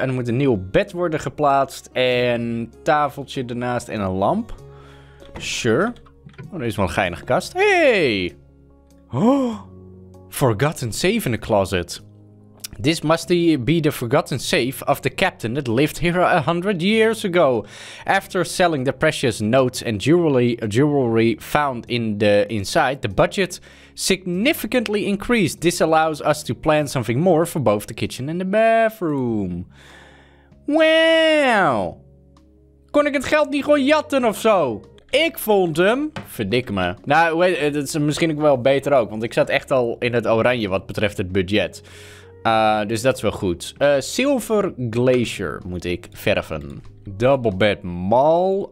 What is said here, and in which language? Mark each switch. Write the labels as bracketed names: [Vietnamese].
[Dutch] En er moet een nieuw bed worden geplaatst. En een tafeltje ernaast en een lamp. [English] Sure. [Dutch] Oh, er is wel een geinige kast. [English] Hey! Oh, forgotten safe in the closet. This must be the forgotten safe of the captain that lived here 100 years ago. After selling the precious notes and jewelry found in the inside, the budget significantly increased. This allows us to plan something more for both the kitchen and the bathroom. Wow! [Dutch] Kon ik het geld niet gewoon jatten of zo? Ik vond hem. Verdik me. Nou, het is misschien ook wel beter ook, want ik zat echt al in het oranje wat betreft het budget. Dus dat is wel goed. Silver glacier moet ik verven. Double bed mal.